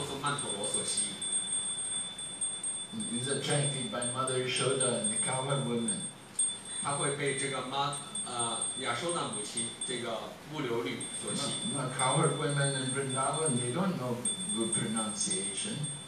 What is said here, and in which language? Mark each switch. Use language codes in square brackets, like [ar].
[zh] 他不会被这个婆罗门的唱诵曼陀罗所吸引。 [en] He's attracted by Mother Yashoda and the cowherd women. [zh] 他会被这个亚修那母亲这个牧牛女所吸引。 [en] 那 cowherd women in Vrindavan, they don't know good pronunciation.